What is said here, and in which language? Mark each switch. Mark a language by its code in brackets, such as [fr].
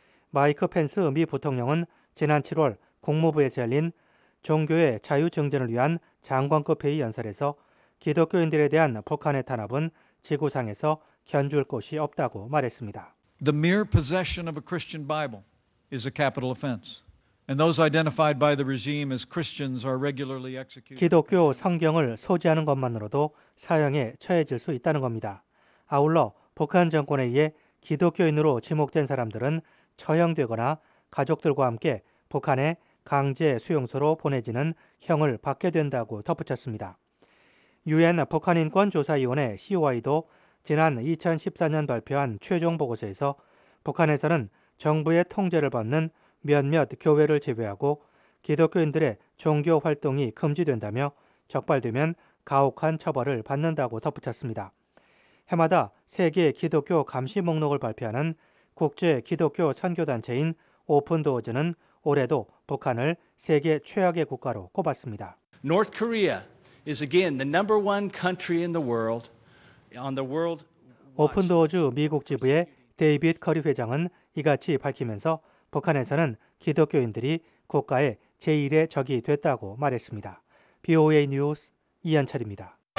[ko] 마이크 펜스 미 부통령은 지난 7월 국무부에서 열린 종교의 자유 증진을 위한 장관급 회의 연설에서 기독교인들에 대한 북한의 탄압은 지구상에서 견줄 곳이 없다고 말했습니다. [en] The mere possession of a Christian Bible is a capital offense. And those identified by the regime as Christians are regularly executed. [ko] 기독교 성경을 소지하는 것만으로도 사형에 처해질 수 있다는 겁니다. 아울러 북한 정권에 의해 기독교인으로 지목된 사람들은 처형되거나 가족들과 함께 북한의 강제 수용소로 보내지는 형을 받게 된다고 덧붙였습니다. 유엔 북한인권조사위원회 COI도 지난 2014년 발표한 최종 보고서에서 북한에서는 정부의 통제를 받는 몇몇 교회를 제외하고 기독교인들의 종교 활동이 금지된다며 적발되면 가혹한 처벌을 받는다고 덧붙였습니다. 해마다 세계 기독교 감시 목록을 발표하는 국제 기독교 선교단체인 오픈도어즈는 올해도 북한을 세계 최악의 국가로 꼽았습니다. [en] North Korea is again the number one country in the world on the world. [ko] 오픈도어즈 미국 지부의 데이비드 커리 회장은 이같이 밝히면서 북한에서는 기독교인들이 국가의 제1의 적이 됐다고 말했습니다. BOA 뉴스 이현철입니다.